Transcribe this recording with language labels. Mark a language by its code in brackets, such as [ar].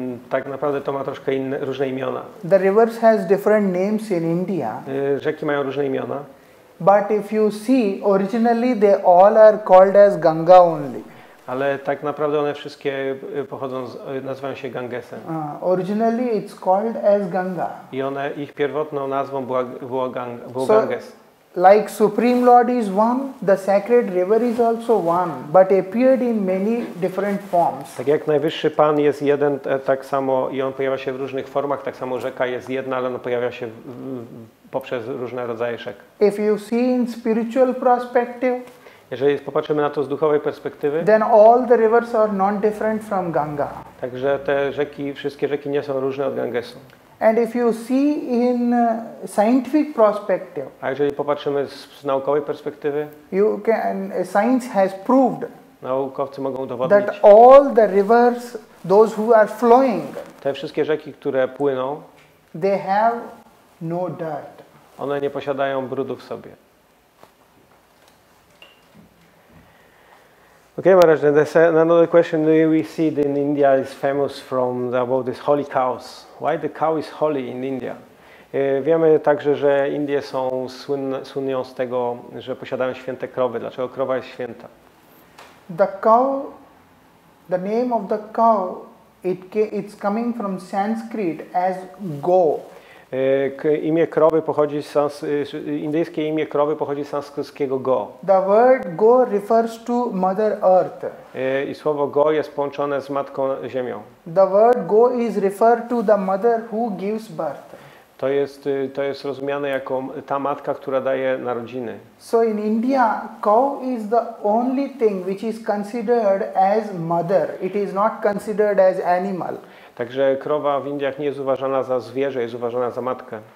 [pl] Tak naprawdę to ma troszkę inne, różne imiona. [en] The rivers has different names in India. [pl] Rzeki mają różne imiona. [en] But if you see, originally they all are called as Ganga only. [pl] Ale tak naprawdę one wszystkie pochodzą, nazywają się Gangesem. [en] Originally it's called as Ganga. [pl] I one, ich pierwotną nazwą było Ganges. [en] Like Supreme Lord is one, the sacred river is also one, but appeared in many different forms. [pl] Tak jak Najwyższy Pan jest jeden, tak samo i on pojawia się w różnych formach, tak samo rzeka jest jedna, ale ona pojawia się poprzez różne rodzaje rzek. [en] If you see in spiritual perspective, [pl] jeżeli popatrzymy na to z duchowej perspektywy, [en] then all the rivers are not different from Ganga. [pl] Także te rzeki, wszystkie rzeki nie są różne od Gangesu. [en] And if you see in scientific perspective, [pl] a jeżeli popatrzymy z naukowej perspektywy, [en] you can, science has proved, [pl] naukowcy mogą udowodnić, [en] that all the rivers, those who are flowing, [pl] te wszystkie rzeki, które płyną, [en] they have no dirt. [pl] One nie posiadają brudu w sobie. [en] Okay, Maharaj, then there's another question we see that in India is famous from about this holy cows. Why the cow is holy in India? [pl] Wiemy także, że Indie są słynne z tego, że posiadają święte krowy. Dlaczego krowa jest święta? [en] The cow, the name of the cow, it's coming from Sanskrit as go. [pl] Imię krowy pochodzi z indyjskie imię krowy pochodzi z sanskryskiego go. [en] The word go refers to Mother Earth. [pl] I słowo go jest połączone z Matką Ziemią. [en] The word go is referred to the mother who gives birth. [pl] To jest rozumiane jako ta matka, która daje narodziny. [en] So in India, cow is the only thing which is considered as mother. It is not considered as animal. [pl] Także krowa w Indiach nie jest uważana za zwierzę, jest uważana za matkę.